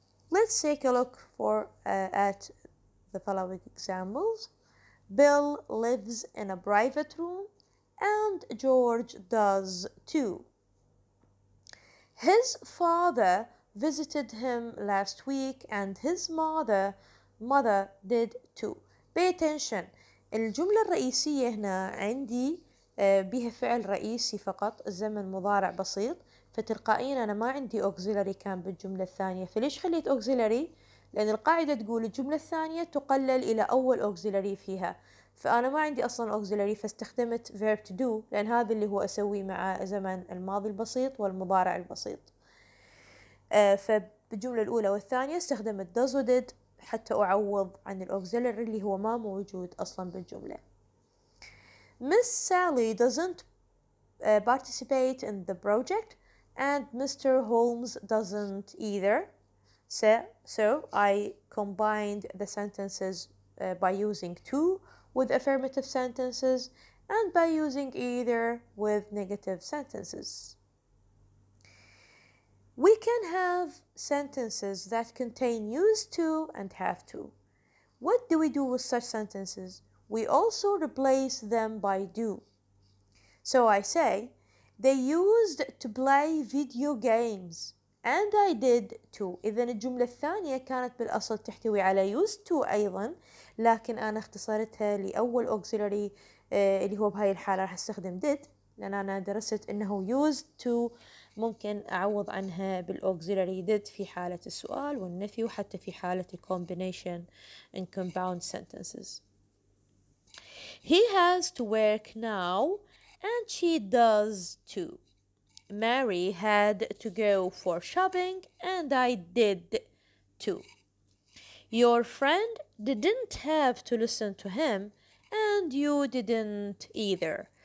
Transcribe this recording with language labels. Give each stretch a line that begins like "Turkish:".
English: Let's take a look at the following examples. Bill lives in a private room and George does too. His father visited him last week and his mother did too. Pay attention.
Arabic: الجملة الرئيسية هنا عندي بها فعل رئيسي فقط الزمن مضارع بسيط فتلقائيا أنا ما عندي auxiliary كان بالجملة الثانية فليش خليت auxiliary؟ لأن القاعدة تقول الجملة الثانية تقلل إلى أول auxiliary فيها فأنا ما عندي أصلاً auxiliary فاستخدمت verb to do لأن هذا اللي هو أسويه مع زمن الماضي البسيط والمضارع البسيط فبالجملة الأولى والثانية استخدمت
English: does and did
Arabic: حتى أعوض عن auxiliary اللي هو ما موجود أصلاً بالجملة.
English: Miss Sally doesn't participate in the project and Mr. Holmes doesn't either. So I combined the sentences by using to with affirmative sentences and by using either with negative sentences. We can have sentences that contain use to and have to. What do we do with such sentences? We also replace them by do. So I say, they used to play video games. And I did too.
Arabic: إذن الجملة الثانية كانت بالأصل تحتوي على used to أيضا لكن أنا اختصرتها لأول auxiliary اللي هو بهاي الحالة راح استخدم did لأن أنا درست أنه used to ممكن أعوض عنها بالauxiliary did في حالة السؤال والنفي وحتى في حالة
English: combination and compound sentences. He has to work now and she does too. Mary had to go for shopping and I did too. Your friend didn't have to listen to him, and you didn't either.